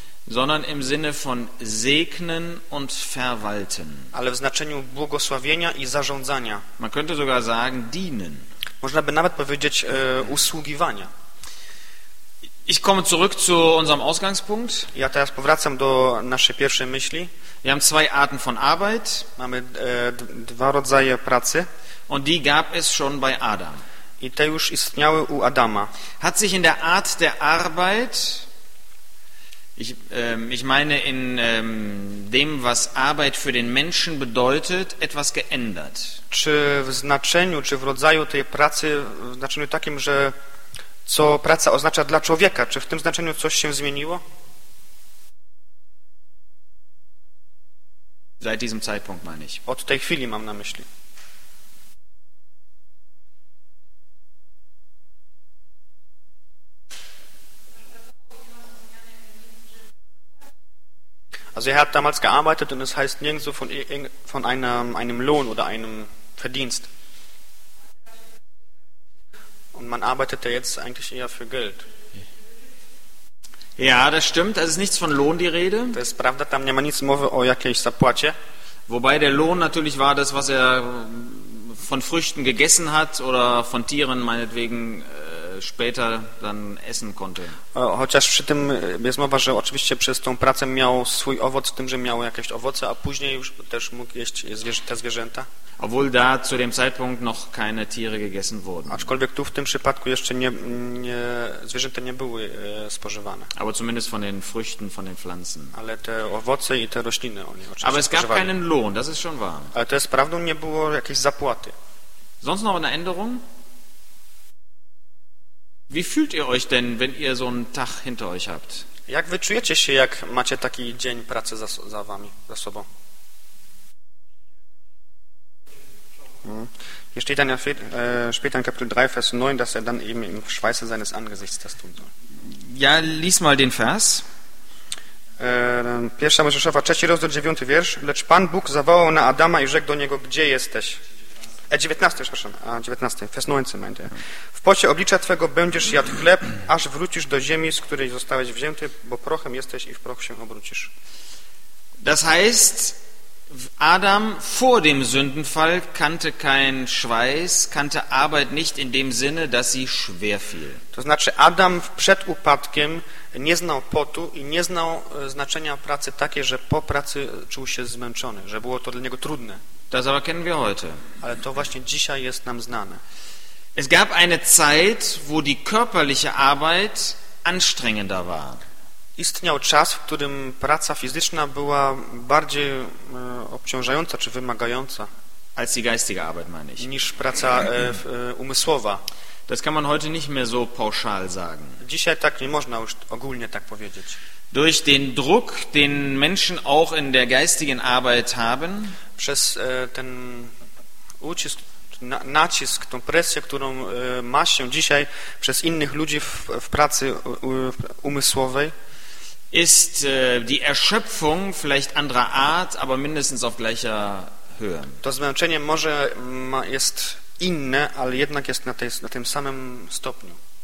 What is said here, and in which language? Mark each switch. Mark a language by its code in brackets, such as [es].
[de] Sondern im Sinne von segnen und verwalten. [pl] Ale w znaczeniu błogosławienia i zarządzania. [de] Man könnte sogar sagen dienen. [pl] Można by nawet powiedzieć usługiwania. [de] Ich komme zurück zu unserem Ausgangspunkt. [pl] Ja teraz powracam do naszej pierwszej myśli. [de] Wir haben zwei Arten von Arbeit. [pl] Mamy dwa rodzaje pracy. [de] Und die gab es schon bei Adam. [pl] I te już istniały u Adama. [de] Hat sich in der Art der Arbeit, ich meine in dem, was Arbeit für den Menschen bedeutet, etwas geändert? [pl] Czy w znaczeniu, czy w rodzaju tej pracy, w znaczeniu takim, że co praca oznacza dla człowieka? Czy w tym znaczeniu coś się zmieniło? [de] Seit diesem Zeitpunkt meine ich. [pl] Od tej chwili mam na myśli. [de] Also er hat damals gearbeitet und es heißt nirgendwo von einem Lohn oder einem Verdienst. Und man arbeitet ja jetzt eigentlich eher für Geld. Ja, das stimmt. Es ist nichts von Lohn die Rede. Das ist [pl] prawda, tam nie ma nic mowy o jakiejś zapłacie. [de] Wobei der Lohn natürlich war das, was er von Früchten gegessen hat oder von Tieren meinetwegen später dann essen konnte. [pl] Chociaż przy tym jest mowa, że oczywiście przez tą pracę miał swój owoc, tym, że miał jakieś owoce, a później już też mógł jeść te zwierzęta. [de] Obwohl da zu dem Zeitpunkt noch keine Tiere gegessen wurden. [pl] Aczkolwiek tu w tym przypadku jeszcze nie zwierzęta nie były spożywane. [de] Aber zumindest von den Früchten, von den Pflanzen. [pl] Ale te owoce i te rośliny oni oczywiście. [de] Aber es gab keinen Lohn, das ist schon wahr. [pl] Ale to jest prawdą, nie było jakiejś zapłaty. [de] Sonst noch eine Änderung? Wie fühlt ihr euch denn, wenn ihr so einen Tag hinter euch habt? [pl] Jak wy czujecie się, jak macie taki dzień pracy za wami, za sobą? [de] Hier steht dann ja später in Kapitel 3, Vers 9, dass er dann eben im Schweiße seines Angesichts das tun soll. Ja, lies mal den Vers. [pl] Pierwsza Mojżeszowa, 3 rozdział, 9 wiersz. Lecz Pan Bóg zawołał na Adama i rzekł do niego, gdzie jesteś? [de] 19, Vers 19, meint er. [pl] W pocie oblicza twego będziesz jadł chleb, aż wrócisz do ziemi, z której zostałeś wzięty, bo prochem jesteś i w proch się obrócisz. [de] Das heißt, Adam vor dem Sündenfall kannte kein Schweiß, kannte Arbeit nicht in dem Sinne, dass sie schwer fiel. [pl] To znaczy Adam przed upadkiem nie znał potu i nie znał znaczenia pracy takiej, że po pracy czuł się zmęczony, że było to dla niego trudne. [de] Das aber kennen wir heute. [pl] Ale to właśnie dzisiaj jest nam znane. [de] Es gab eine Zeit, wo die körperliche Arbeit anstrengender war. [pl] Istniał czas, w którym praca fizyczna była bardziej obciążająca czy wymagająca [de] als die geistige Arbeit, meine ich. [pl] Niż praca umysłowa. [de] Das kann man heute nicht mehr so pauschal sagen. [pl] Dzisiaj tak nie można już ogólnie tak powiedzieć. [de] Durch den Druck, den Menschen auch in der geistigen Arbeit haben, [pl] przez ten ucisk, nacisk, tą presję, którą ma się dzisiaj przez innych ludzi w pracy umysłowej, [de] ist die Erschöpfung vielleicht anderer Art, aber mindestens auf gleicher Höhe. [pl] To zmęczenie może jest inne, ale jednak jest na tym samym stopniu.